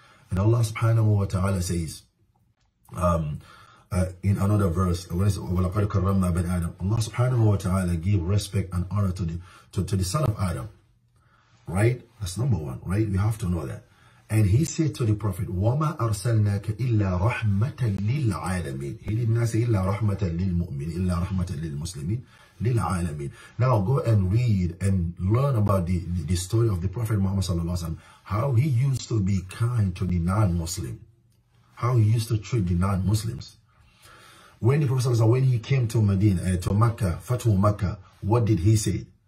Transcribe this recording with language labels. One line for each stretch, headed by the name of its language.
English: And Allah subhanahu wa ta'ala says, in another verse, when it says
Arabic: walaqad karramna bani Adam,
English: Allah subhanahu wa ta'ala gave respect and honor to the son of Adam. Right? That's number one, right? We have to know that. And he said to the Prophet,
Arabic: وَمَا أَرْسَلْنَاكَ إِلَّا رَحْمَةً لِلْعَالَمِينَ.
English: He did not say
Arabic: إِلَّا رَحْمَةً لِلْمُؤْمِنِ إِلَّا رَحْمَةً لِلْمُسْلِمِينَ لِلْعَالَمِينَ.
English: Now go and read and learn about the story of the Prophet Muhammad sallallahu alaihi wasallam. How he used to be kind to the non-Muslim. How he used to treat the non-Muslims. When the Prophet sallallahu alaihi wasallam, when he came to Medina, to Mecca, Fatu Mecca, what did he say?